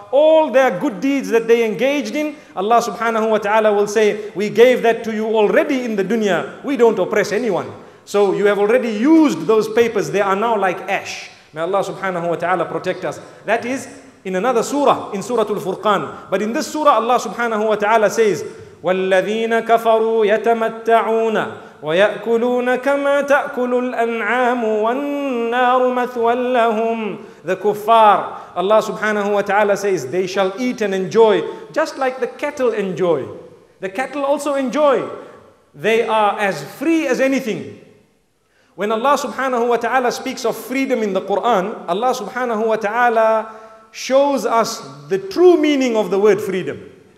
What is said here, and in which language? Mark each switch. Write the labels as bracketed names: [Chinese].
[English] All their good deeds that they engaged in, Allah subhanahu wa ta'ala will say, we gave that to you already in the dunya. We don't oppress anyone. So you have already used those papers. They are now like ash. May Allah subhanahu wa ta'ala protect us. That is in another surah, in Surah Al-Furqan. But in this surah, Allah subhanahu wa ta'ala says, [Arabic] وَالَّذِينَ كَفَرُوا يَتَمَتَّعُونَ وَيَأْكُلُونَ كَمَا تَأْكُلُ الْأَنْعَامُ وَالنَّارُ مَثْوًا لَهُمْ. [English] The kuffar, Allah subhanahu wa ta'ala says, they shall eat and enjoy just like the cattle enjoy. The cattle also enjoy. They are as free as anything. When Allah subhanahu wa ta'ala speaks of freedom in the Quran, Allah subhanahu wa ta'ala shows us the true meaning of the word freedom.